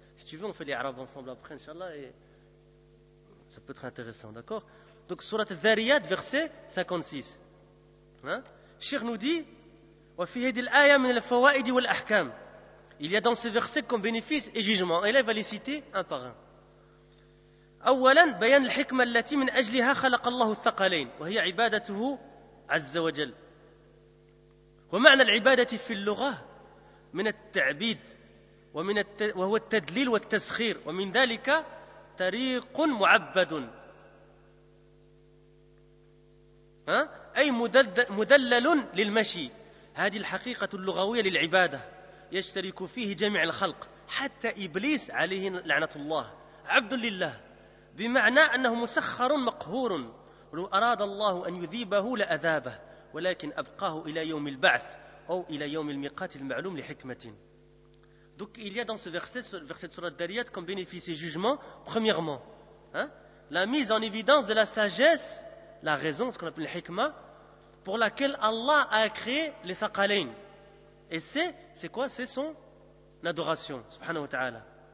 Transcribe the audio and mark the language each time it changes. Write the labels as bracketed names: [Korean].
[French] Si tu veux, on fait les arabes ensemble après, Inch'Allah, et ça peut être intéressant, d'accord? Donc, surat al-Dhariyat, verset 56. Hein? Cheikh nous dit: [Arabic] Wa fi hadhihi al-aya min al-fawa'id wa al-ahkam. [French] Il y a dans ce verset comme bénéfice et jugement. Et là, il va les citer un par un. [Arabic] اولا بيان الحكمه التي من اجلها خلق الله الثقلين وهي عبادته عز وجل ومعنى العباده في اللغه من التعبيد ومن وهو التدليل والتسخير ومن ذلك طريق معبد اي مدلل للمشي هذه الحقيقه اللغويه للعباده يشترك فيه جميع الخلق حتى ابليس عليه لعنه الله عبد لله بمعنى أنه مسخر مقهور لو أراد الله أن يذيبه لأذابه ولكن أبقاه إلى يوم البعث أو إلى يوم الميقات المعلوم لحكمة. [French] Donc il y a dans ce verset de sourate Dariyat comme bénéfice et jugement, premièrement, la mise en évidence de la sagesse, la raison, ce qu'on appelle la hikma, pour laquelle Allah a créé les thaqalain. Et c'est quoi? C'est son adoration, subhanahu wa ta'ala.